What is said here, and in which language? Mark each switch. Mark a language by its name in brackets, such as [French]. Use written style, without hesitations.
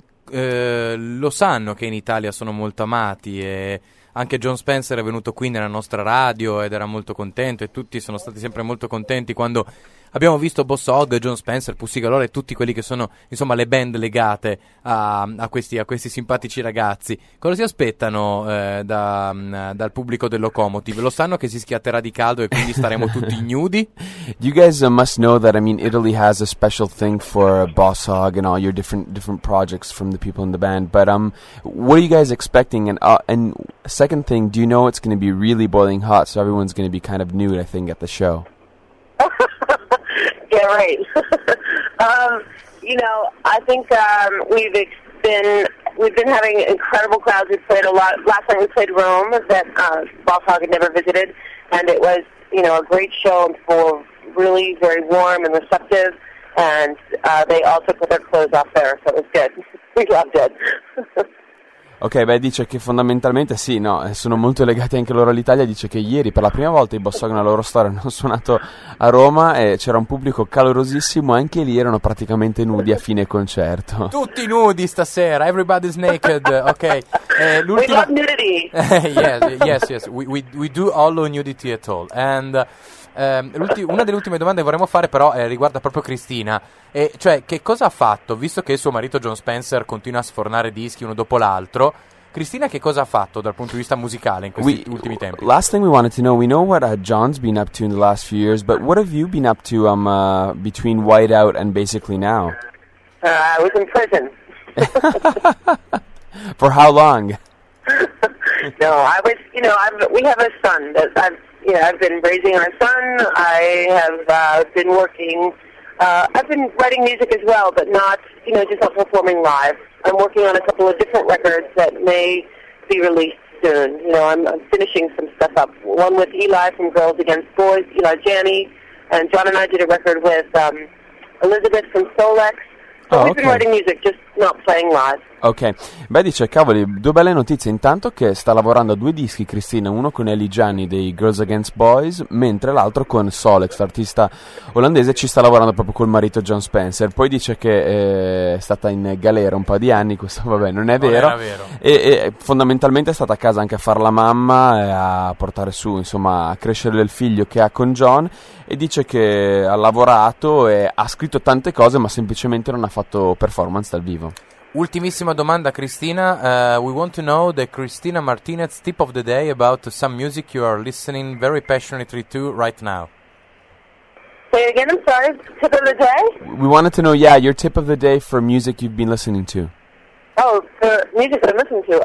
[Italian] Lo sanno che in Italia sono molto amati, e anche John Spencer è venuto qui nella nostra radio ed era molto contento, e tutti sono stati sempre molto contenti quando abbiamo visto Boss Hog, John Spencer, Pussy Galore e tutti quelli che sono, insomma, le band legate a questi simpatici ragazzi. Cosa si aspettano dal pubblico del Locomotive? Lo sanno che si schiatterà di caldo e quindi staremo tutti ignudi? [English] You guys must know that, I mean, Italy has a special thing for Boss Hog and all your different projects from the people in the band, but what are you guys expecting? And second thing, do you know it's going to be really boiling hot, so everyone's going to be kind of nude, I think, at the show? Yeah, right. I think we've been having incredible crowds. We've played a lot. Last time we played Rome, that Boss Hog had never visited, and it was, you know, a great show and full of really very warm and receptive, and they all took their clothes off there, so it was good. We loved it. [Italian] Ok, beh, dice che fondamentalmente sì, no, sono molto legati anche loro all'Italia. Dice che ieri per la prima volta i Boss Hog nella loro storia hanno suonato a Roma e c'era un pubblico calorosissimo, e anche lì erano praticamente nudi a fine concerto. Tutti nudi stasera, [English] everybody's naked, ok. [Italian] L'ultima... [English] We love nudity. yes, we do all nudity at all. And [Italian] una delle ultime domande che vorremmo fare però riguarda proprio Cristina. E cioè, che cosa ha fatto, visto che suo marito John Spencer continua a sfornare dischi uno dopo l'altro? Cristina, che cosa ha fatto dal punto di vista musicale in questi ultimi tempi? [English] Last thing we wanted to know, we know what John's been up to in the last few years, but what have you been up to between Whiteout and basically now? I was in prison. For how long? No, I was, you know, we have a son. I've been raising our son. I have been working. I've been writing music as well, but not, you know, just not performing live. I'm working on a couple of different records that may be released soon. You know, I'm finishing some stuff up. One with Eli from Girls Against Boys, Eli Janney, and John and I did a record with Elizabeth from Solex. Oh, okay. We've been writing music, just not playing live. [Italian] Ok, beh, dice, cavoli, due belle notizie. Intanto che sta lavorando a due dischi Cristina, uno con Ellie Gianni dei Girls Against Boys, mentre l'altro con Solex, l'artista olandese, ci sta lavorando proprio col marito John Spencer. Poi dice che è stata in galera un po' di anni, questo vabbè non è vero, non era vero. E fondamentalmente è stata a casa anche a far la mamma e a portare su, insomma, a crescere il figlio che ha con John, e dice che ha lavorato e ha scritto tante cose, ma semplicemente non ha fatto performance dal vivo. Ultimissima domanda, Cristina. [English] We want to know the Cristina Martinez tip of the day about some music you are listening very passionately to right now. Say it again, I'm sorry. Tip of the day? We wanted to know, yeah, your tip of the day for music you've been listening to. Oh, for music that I'm listening to.